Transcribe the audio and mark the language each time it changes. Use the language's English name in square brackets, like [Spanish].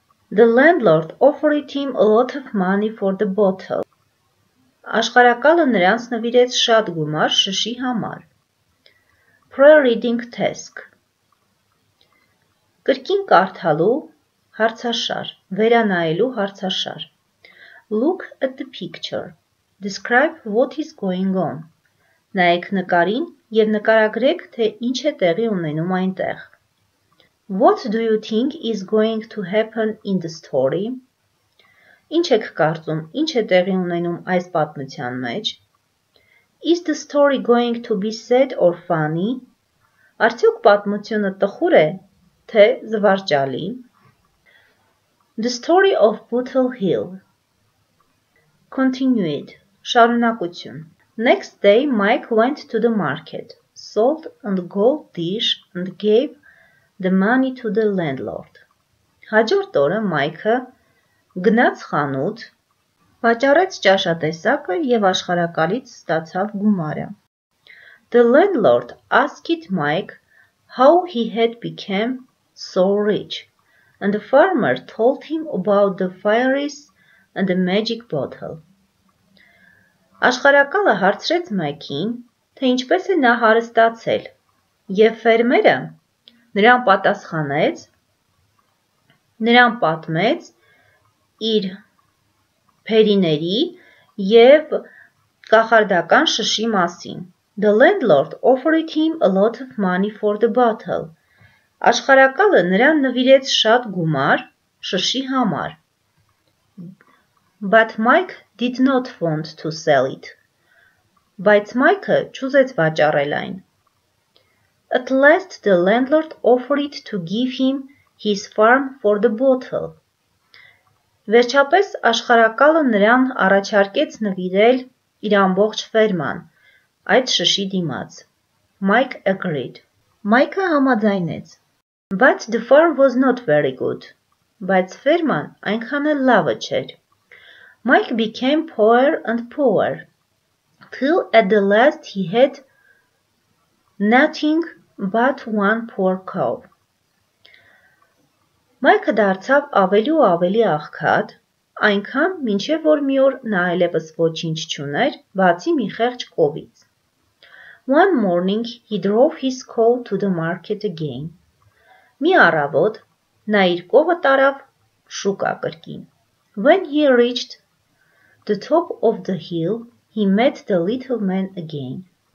[English] The landlord offered him a lot of money for the bottle. [Armenian] Աշխարակալը նրանց նվիրեց շատ գումար շշի համար. [English] Pre-reading task. [Armenian] Կրկին կարդալու հարցաշար, վերանայելու հարցաշար. [English] Look at the picture. Describe what is going on. [Armenian] Նայեք նկարին և նկարագրեք, թե ինչ է տեղի ունենում այնտեղ. [English] What do you think is going to happen in the story? [Armenian] Ինչ եք կարծում, ինչ է տեղի ունենում այս պատմության մեջ? [English] Is the story going to be sad or funny? [Armenian] Արդյոք պատմությունը տխուր է, թե զվարճալի? [English] The story of Bootle Hill. Continued. [Armenian] Շարունակություն. [English] Next day Mike went to the market, sold a gold dish and gave the money to the landlord. [Armenian] Հաջորդ օրը Մայքը գնաց խանութ, վաճառեց ճաշատեսակը և աշխարակալից ստացավ գումարը. [English] The landlord asked Mike how he had become so rich, and the farmer told him about the fairies and the magic bottle. [Armenian] Աշխարակալը հարցրեց Մայքին, թե ինչպես է նա հարստացել, և ֆերմերը նրան պատասխանեց, նրան պատմեց իր պերիների և կախարդական շշի մասին. [English] The landlord offered him a lot of money for the bottle. [Armenian] Աշխարակալը նրան նվիրեց շատ գումար շշի համար. [English] But Mike did not want to sell it. [Armenian] Բայց Մայքը չուզեց վաճառել այն. [English] At last the landlord offered to give him his farm for the bottle. [Armenian] Վերջապես աշխարակալը նրան առաջարկեց նվիրել իր ամբողջ ֆերման այդ շշի դիմաց. [English] Mike agreed. [Armenian] Mike-ը համաձայնեց. [English] But the farm was not very good. [Armenian] Բայց ֆերման այնքան էլ լավը չէր. [English] Mike became poorer and poorer. Till at the last he had nothing but one poor cow. [Armenian] Մայքը դարձավ ավելի ու ավելի աղքատ, Այնքան, մինչև որ մի օր նա այլևս ոչինչ չուներ, բացի մի խեղճ կովից. [English] One morning he drove his cow to the market again. [Armenian] Մի առավոտ նա իր կովը տարավ շուկա կրկին. [English] When he reached the top of the hill, he met the little man again.